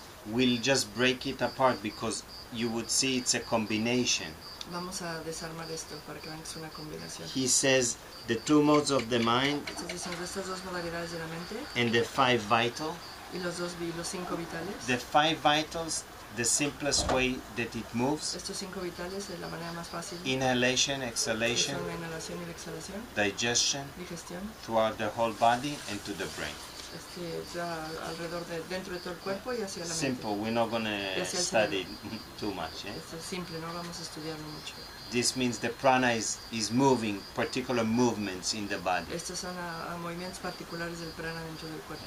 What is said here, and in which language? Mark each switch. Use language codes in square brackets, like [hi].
[en] We'll just break it apart because you would see it's a combination. [es] Vamos a desarmar esto para que vean que es una combinación. [en] He says the two modes of the mind, [es] entonces, son estas dos modalidades de la mente, [en] and the five vital, [es] y los cinco vitales. [en] The five vitals, the simplest way that it moves. [es] Estos cinco vitales es la manera más fácil. [en] Inhalation, exhalation. [es] Son la inhalación y la exhalación. [en] Digestion. [es] Digestión. [en] Throughout the whole body and to the brain. [es] Alrededor de dentro de todo el cuerpo y hacia la mente. [en] Simple. We're not gonna study too much. Yeah? [es] Esto es simple. No vamos a estudiarlo mucho. [en] This means the prana is moving particular movements in the body. [es] Estos son movimientos particulares del prana dentro del cuerpo.